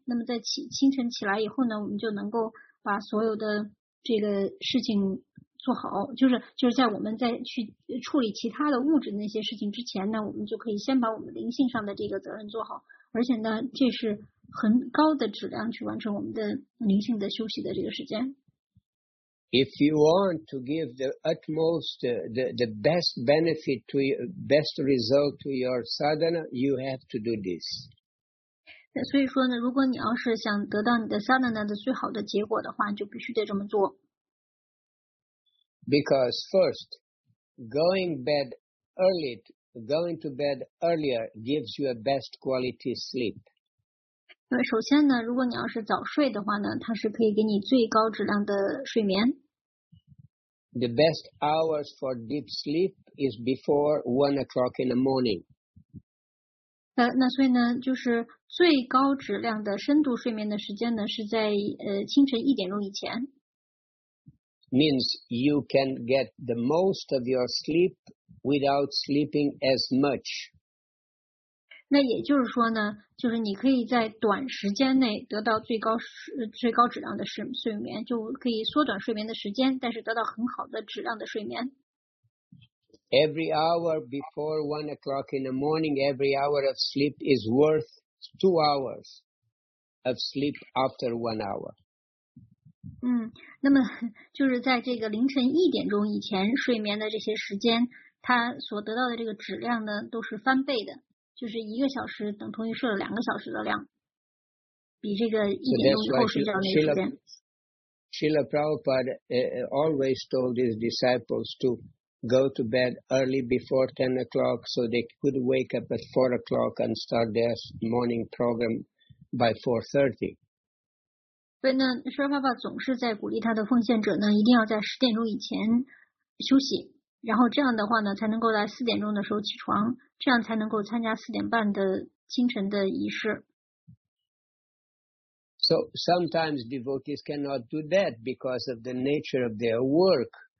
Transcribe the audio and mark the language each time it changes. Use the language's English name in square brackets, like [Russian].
[Chinese] 那么在清晨起来以后呢，我们就能够把所有的这个事情做好，就是在我们在去处理其他的物质那些事情之前呢，我们就可以先把我们灵性上的这个责任做好，而且呢，这是很高的质量去完成我们的灵性的休息的这个时间。 [English] If you want to give the utmost, the best benefit to your, best result to your sadhana, you have to do this. [Chinese] 所以说呢，如果你要是想得到你的 sadhana 的最好的结果的话，就必须得这么做。 [English] Because first, going to bed earlier gives you a best quality sleep. [Chinese] 首先呢，如果你要是早睡的话呢，它是可以给你最高质量的睡眠。 [English] The best hours for deep sleep is before 1 o'clock in the morning. [Chinese] 那所以呢，就是最高质量的深度睡眠的时间呢，是在清晨一点钟以前。 [English] Means you can get the most of your sleep without sleeping as much. [Chinese] 那也就是说呢，就是你可以在短时间内得到最高质量的睡眠，就可以缩短睡眠的时间，但是得到很好的质量的睡眠。 [English] Every hour before 1 o'clock in the morning, every hour of sleep is worth 2 hours of sleep after 1 hour. [Chinese] 那么就是在这个凌晨一点钟以前睡眠的这些时间，它所得到的这个质量呢，都是翻倍的。就是一个小时等同于睡了两个小时的量，比这个一点钟以后睡觉的时间。 [English] Srila Prabhupada always told his disciples to go to bed early before 10 o'clock so they could wake up at 4 o'clock and start their morning program by 4:30. [Chinese] 所以呢，Srila Prabhupada总是在鼓励他的奉献者呢，一定要在十点钟以前休息。然后这样的话呢，才能够在四点钟的时候起床，这样才能够参加四点半的清晨的仪式。 [English] So sometimes devotees cannot do that because of the nature of their work.